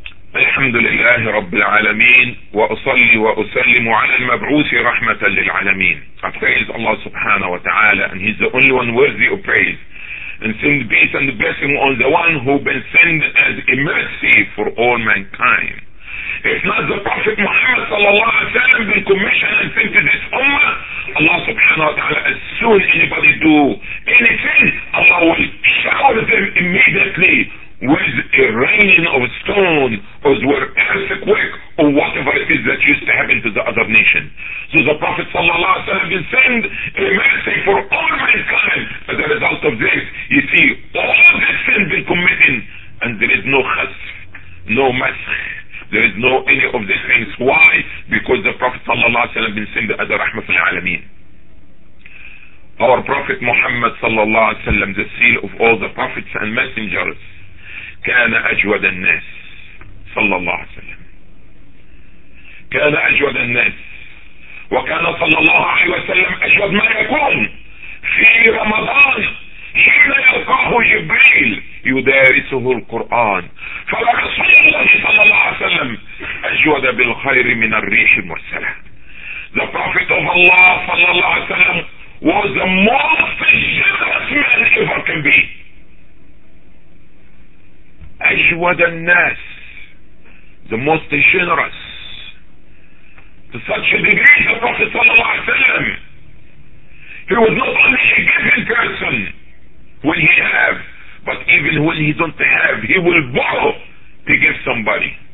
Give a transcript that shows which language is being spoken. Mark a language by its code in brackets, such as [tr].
[ar] الحمد لله رب العالمين وأصلي وأسلم على المبعوث رحمة للعالمين. [en] I praise Allah subhanahu wa ta'ala and he's the only one worthy of praise, and send peace and blessing on the one who been sent as a mercy for all mankind. It's not the Prophet Muhammad sallallahu alayhi wa sallam been commissioned and sent to this ummah. Allah subhanahu wa ta'ala, as soon as anybody do anything, Allah will shower them immediately with a raining of stone, or were earthquake, or whatever it is that used to happen to the other nation. So the Prophet sallallahu alaihi wasallam been sent a mercy for all mankind. As a result of this, you see all of this sin been committing, and there is no khasf, no mask, there is no any of these things. Why? Because the Prophet sallallahu alaihi wasallam been sent as a rahmah fil alameen. Our Prophet Muhammad sallallahu alaihi wasallam, the seal of all the prophets and messengers, [ar] كان أجود الناس صلى الله عليه وسلم. كان أجود الناس وكان صلى الله عليه وسلم أجود ما يكون في رمضان حين يلقاه جبريل يدارسه القرآن. فرسول الله صلى الله عليه وسلم أجود بالخير من الريح المرسلة. [en] The Prophet of Allah [ar] صلى الله عليه وسلم [en] was the most generous man ever can be. [ar] أجود الناس, [en] the most generous, to such a degree the Prophet [ar] صلى الله عليه وسلم, [en] he was not only a giving person when he have, but even when he don't have, he will borrow to give somebody.